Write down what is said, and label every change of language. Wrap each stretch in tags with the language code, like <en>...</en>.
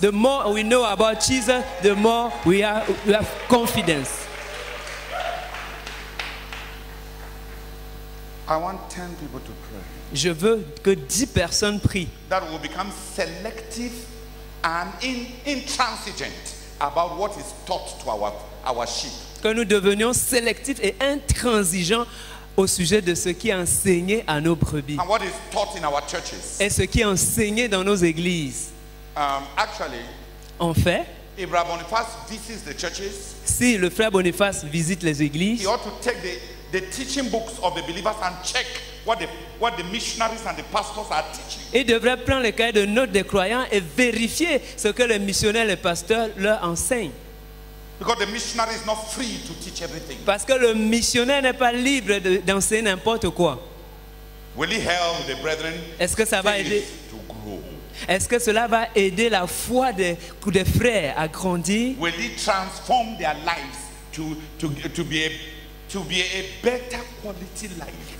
<en>The more we know about Jesus, the more we have confidence. I want 10 people to pray.</en> <fr>Je veux que 10 personnes prient.</fr> <en>That will become selective and intransigent about what is taught to our sheep.</en> <fr>Que nous devenions sélectifs et intransigeants au sujet de ce qui est enseigné à nos brebis.</fr> <en>And what is taught in our churches.</en> <fr>Et ce qui est enseigné dans nos églises.</fr> <en>Actually,</en> <fr>en fait,</fr> <en>if Brother Boniface visits the churches,</en> <fr>si le frère Boniface visite les églises,</fr> <en>he ought to take the teaching books of the believers and check what the missionaries and the pastors are teaching.</en> <fr>Il devrait prendre les cahiers de notes des croyants et vérifier ce que les missionnaires et les pasteurs leur enseignent.</fr> <en>Because the missionary is not free to teach everything.</en> <fr>Parce que le missionnaire n'est pas libre d'enseigner n'importe quoi.</fr> <en>Will he help the brethren?</en> <fr>Est-ce que ça va aider?</fr> <en>To grow?</en> <fr>Est-ce que cela va aider la foi des frères à grandir?</fr> <en>Will he transform their lives to be a better quality life?</en>